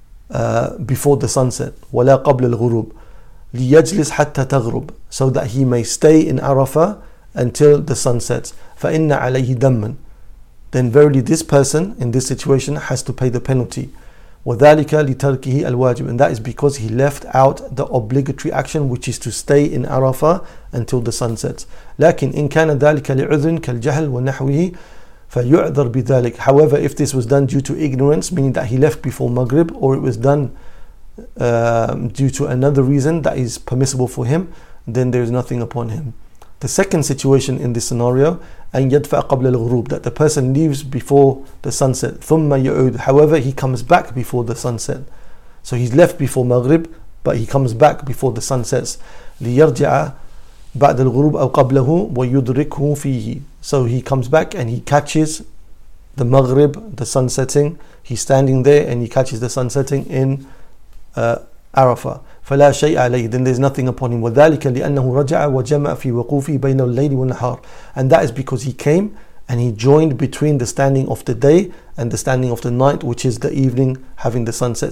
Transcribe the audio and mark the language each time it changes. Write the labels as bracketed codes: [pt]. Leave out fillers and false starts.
[en] before the sunset, [ar] ولا قبل الغروب, ليجلس حتى تغرب, [en] so that he may stay in Arafah until the sun sets. [ar] فإن عليه دما, [en] then verily this person in this situation has to pay the penalty. [ar] وذلك لتركه الواجب, [en] and that is because he left out the obligatory action, which is to stay in Arafah until the sun sets. [ar] لكن إن كان ذلك لعذر كالجهل ونحوه فيعذر بذلك. [en] However, if this was done due to ignorance, meaning that he left before Maghrib, or it was done due to another reason that is permissible for him, then there is nothing upon him. The second situation in this scenario, [ar] أن يدفع قبل الغروب, [en] that the person leaves before the sunset. [ar] ثم يعود, [en] however, he comes back before the sunset. So he's left before Maghrib, but he comes back before the sunsets. [ar] ليرجع بعد الغروب أو قبله ويدركه فيه. [en] So he comes back and he catches the Maghrib, the sun setting. He's standing there and he catches the sun setting in Arafah. [ar] فلا شيء عليه, [en] then there's nothing upon him. [ar] وذلك لأنه رجع وجمع في وقوفه بين الليل والنهار, [en] and that is because he came and he joined between the standing of the day and the standing of the night, which is the evening having the sunset.